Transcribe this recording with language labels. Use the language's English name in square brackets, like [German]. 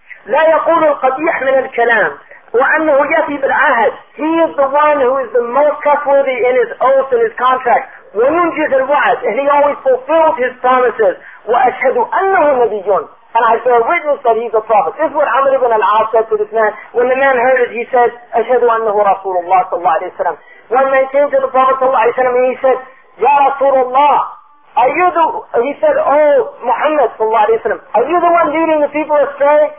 [Arabic] لَا يَقُولُ الْقَبِيحَ مِنَ الْكَلَامِ وَأَنَّهُ يَفِي بِالْعَهَدِ. [English] He is the one who is the most trustworthy in his oath and his contract. [Arabic] وَيُنْجِزُ الْوَعَدِ. [English] And he always fulfills his promises. [Arabic] وَأَشْهَدُ أَنَّهُ نَبِيٌّ. [English] And I bear witness that he's a prophet. This is what Amr ibn al-As said to this man. When the man heard it, he said, [Arabic] أَشْهَدُ أَنَّهُ رَسُولُ اللَّهِ صَلَّى اللَّهِ عَلَيْهِ وَسَلَّمَ. [English] One man came to the Prophet صلى الله عليه وسلم and he said, [Arabic] يَا رَسُولُ اللَّهِ [English] are you the... He said, oh, Muhammad صلى الله عليه وسلم, are you the one leading the people astray?